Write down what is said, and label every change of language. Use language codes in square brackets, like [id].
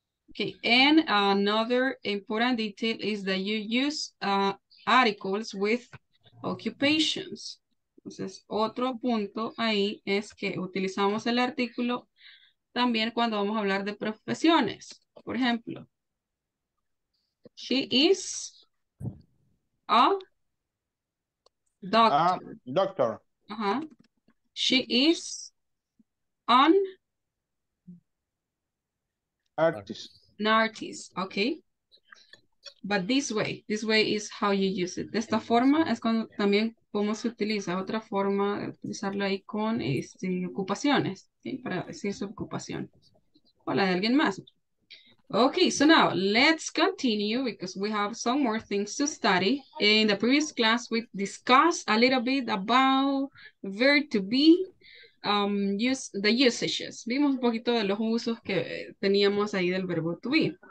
[en] Okay, and another important detail is that you use articles with occupations. [es] Entonces, otro punto ahí es que utilizamos el artículo también cuando vamos a hablar de profesiones. Por ejemplo, [en] she is a doctor. She is an artist, okay. But this way is how you use it. [es] De esta forma es cuando también cómo se utiliza, otra forma de utilizarlo ahí con ocupaciones, ¿sí? Para decir su ocupación o la de alguien más. [en] Okay, so now let's continue because we have some more things to study. In the previous class, we discussed a little bit about verb to be, the usages. [es] Vimos un poquito de los usos que teníamos ahí del verbo to be.